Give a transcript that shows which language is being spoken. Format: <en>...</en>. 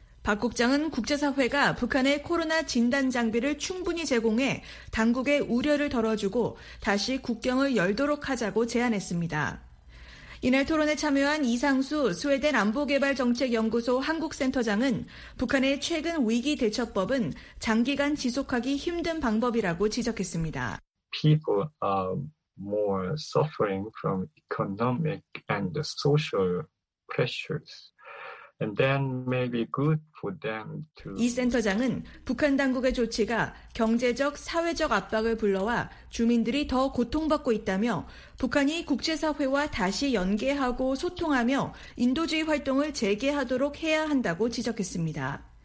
<ko>박 국장은 국제사회가 북한의 코로나 진단 장비를 충분히 제공해 당국의 우려를 덜어주고 다시 국경을 열도록 하자고 제안했습니다. 이날 토론에 참여한 이상수 스웨덴 안보개발정책연구소 한국센터장은 북한의 최근 위기 대처법은 장기간 지속하기 힘든 방법이라고 지적했습니다.</ko> <en>People are more suffering from economic and social pressures. And then maybe good for them to...</en> <ko>이 센터장은 북한 당국의 조치가 경제적, 사회적 압박을 불러와 주민들이 더 고통받고 있다며 북한이 국제사회와 다시 연계하고 소통하며 인도주의 활동을 재개하도록 해야 한다고 지적했습니다.</ko>